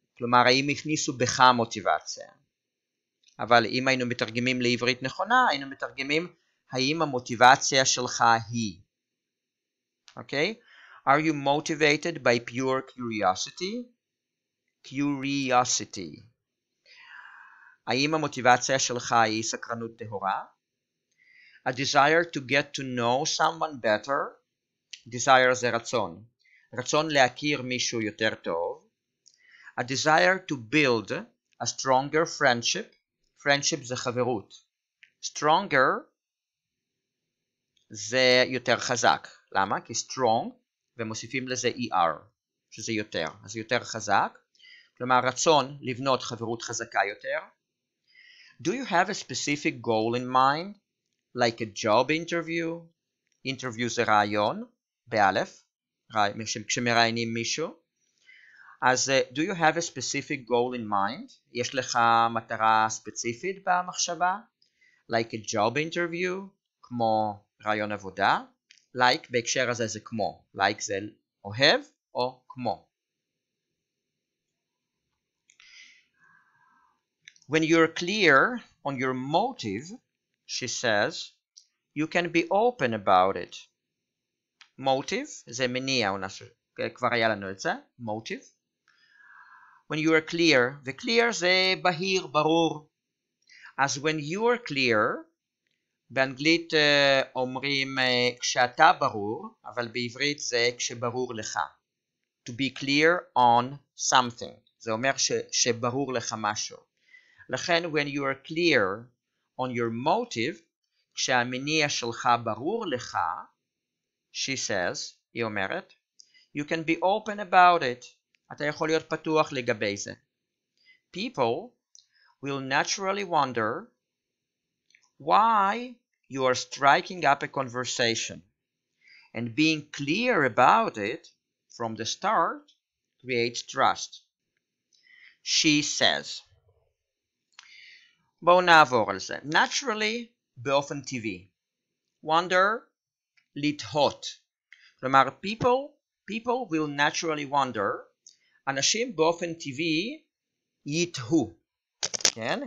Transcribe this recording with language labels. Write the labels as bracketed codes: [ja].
[he] כלומר, האם הכניסו בך מוטיבציה? אבל אם היינו מתרגמים לעברית נכונה, היינו מתרגמים, האם המוטיבציה שלך היא? אוקיי? [en] Are you motivated by pure curiosity? Curiosity. [he] האם המוטיבציה שלך היא סקרנות טהורה? [en] A desire to get to know someone better. [he] Desire זה רצון. רצון להכיר מישהו יותר טוב. [en] A desire to build a stronger friendship. [he] Friendship זה חברות. Stronger זה יותר חזק. למה? כי strong ומוסיפים לזה ER, שזה יותר. אז יותר חזק. כלומר, רצון לבנות חברות חזקה יותר. [en] Do you have a specific goal in mind, like a job interview? [he] Interview זה רעיון, באלף, כשמראיינים מישהו. [en] אז do you have a specific goal in mind? [he] יש לך מטרה ספציפית במחשבה? [en] Like a job interview, [he] כמו רעיון עבודה. Like, בהקשר הזה זה כמו. Like זה אוהב או כמו. [en] When you're clear on your motive, she says, you can be open about it. [he] Motive, זה מניע, כבר היה לנו את זה, motive. When you're clear, וclear זה בהיר, ברור. אז [en] when you're clear, [he] באנגלית אומרים כשאתה ברור, אבל בעברית זה כשברור לך. [en] To be clear on something. [he] זה אומר שברור לך משהו. [en] לכן, when you are clear on your motive, [he] כשהמניע שלך ברור לך, [en] she says, [he] היא אומרת, [en] you can be open about it. [he] אתה יכול להיות פתוח לגבי זה. [en] People will naturally wonder why you are striking up a conversation. And being clear about it from the start creates trust. She says, [he] בואו נעבור על זה. Naturally, באופן טבעי. Wonder, לתהות. [en] כלומר, people will naturally wonder. [he] אנשים באופן טבעי יתהו. כן?